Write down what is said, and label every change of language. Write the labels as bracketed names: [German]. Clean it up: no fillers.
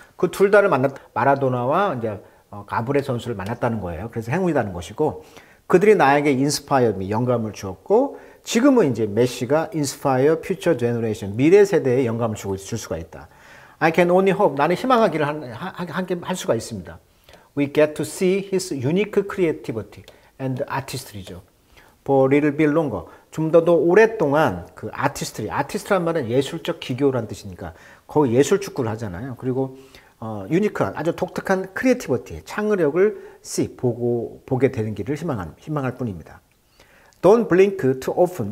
[Korean] 그둘 다를 만났 마라도나와 이제 가브레 선수를 만났다는 거예요. 그래서 행운이라는 것이고 그들이 나에게 [English] inspire me [Korean] 영감을 주었고 지금은 이제 메시가 [English] inspire future generation [Korean] 미래 세대에 영감을 주고 줄 수가 있다. [English] I can only hope [Korean] 나는 희망하기를 할 수가 있습니다. [English] We get to see his unique creativity and artistry죠. For a little bit longer. [Korean] 좀더더 오랫동안 그 아티스트리. 아티스트란 말은 예술적 기교란 뜻이니까 거의 예술 축구를 하잖아요. 그리고, 유니크한, 아주 독특한 크리에이티버티, 창의력을 보게 되는 길을 희망할 뿐입니다. [English] Don't blink too often.